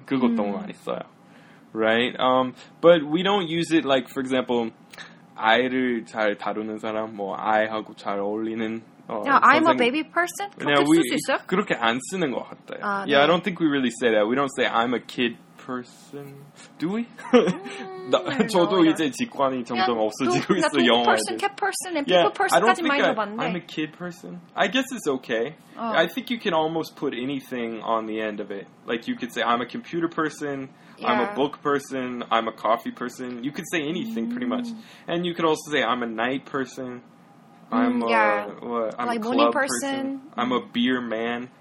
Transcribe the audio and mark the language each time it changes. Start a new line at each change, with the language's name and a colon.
Korean: 그것도 많이 써요.
English: Right? But we don't use it like, for example,
Korean: 아이를 잘 다루는 사람, 뭐 아이하고 잘 어울리는
English: I'm a baby person?
Korean: 그렇게 쓸 수 있어? 그렇게 안 쓰는 것 같아요.
English: 아, yeah, 네. I don't think we really say that. We don't say I'm a kid person. Do we?
Korean: 저도 no, 이제 직관이 점점 없어지고 있어, 영어에
English: 대해서. Person, cat person, and people person까지 많이 해봤는데. I'm a kid person? I guess it's okay. I think you can almost put anything on the end of it. Like, you could say I'm a computer person, yeah. I'm a book person, I'm a coffee person. You could say anything, pretty much. And you could also say I'm a night person. I'm a club morning person. I'm a beer man.